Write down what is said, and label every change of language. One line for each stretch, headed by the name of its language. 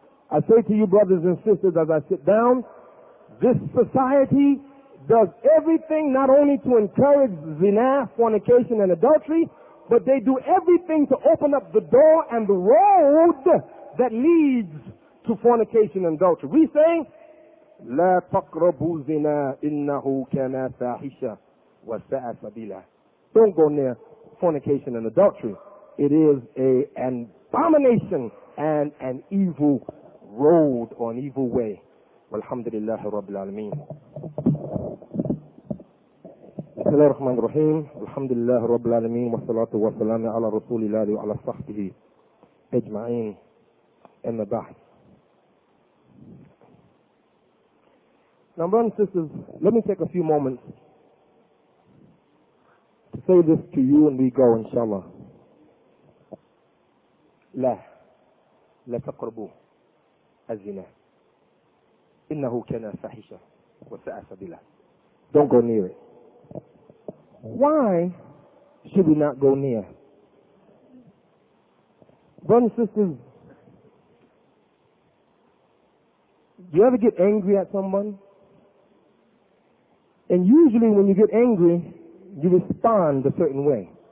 English: I say to you, brothers and sisters, as I sit down, this society does everything not only to encourage zina, fornication, and adultery, but they do everything to open up the door and the road that leads to fornication and adultery. We say,
Arabic: لا تقربوا زنا إنه كان فاحشة وساء سبيلا.
English: Don't go near fornication and adultery. It is an abomination and an evil road or an evil way.
Arabic: والحمد لله رب العالمين. بسم الله الرحمن الرحيم الحمد لله رب العالمين والصلاة والسلام على رسول الله وعلى صحبه أجمعين أما بعد.
English: Now, brothers and sisters, let me take a few moments to say this to you and we go, inshallah.
Arabic: لا لا تقربوا الزنا إنه كان فاحشة وساء سبيلا.
English: Don't go near it. Why should we not go near? Brothers and sisters, do you ever get angry at someone? And usually when you get angry, you respond a certain way.